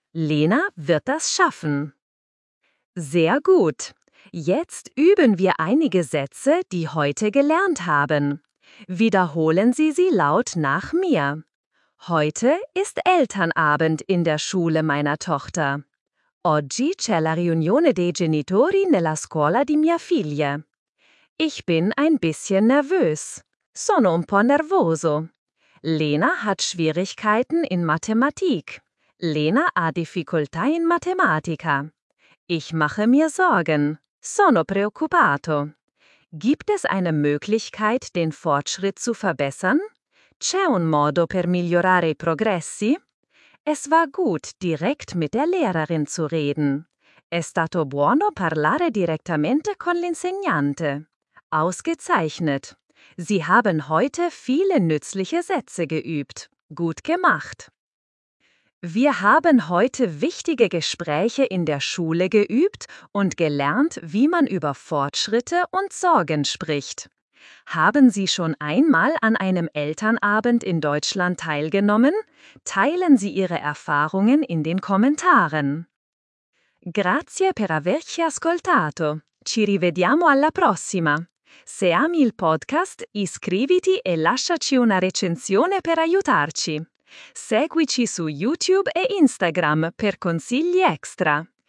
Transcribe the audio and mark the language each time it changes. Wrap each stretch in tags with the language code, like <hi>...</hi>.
<de>Lena wird das schaffen. Sehr gut. Jetzt üben wir einige Sätze, die heute gelernt haben. Wiederholen Sie sie laut nach mir. Heute ist Elternabend in der Schule meiner Tochter.</de> <it>Oggi c'è la riunione dei genitori nella scuola di mia figlia.</it> <de>Ich bin ein bisschen nervös.</de> <it>Sono un po' nervoso.</it> <de>Lena hat Schwierigkeiten in Mathematik.</de> <it>Lena ha difficoltà in matematica.</it> <de>Ich mache mir Sorgen.</de> <it>Sono preoccupato.</it> <de>Gibt es eine Möglichkeit, den Fortschritt zu verbessern?</de> <it>C'è un modo per migliorare i progressi?</it> <de>Es war gut, direkt mit der Lehrerin zu reden.</de> <it>È stato buono parlare direttamente con l'insegnante.</it> <de>Ausgezeichnet. Sie haben heute viele nützliche Sätze geübt. Gut gemacht. Wir haben heute wichtige Gespräche in der Schule geübt und gelernt, wie man über Fortschritte und Sorgen spricht. Haben Sie schon einmal an einem Elternabend in Deutschland teilgenommen? Teilen Sie Ihre Erfahrungen in den Kommentaren.</de> <it>Grazie per averci ascoltato. Ci rivediamo alla prossima. Se ami il podcast, iscriviti e lasciaci una recensione per aiutarci. Seguici su YouTube e Instagram per consigli extra.</it>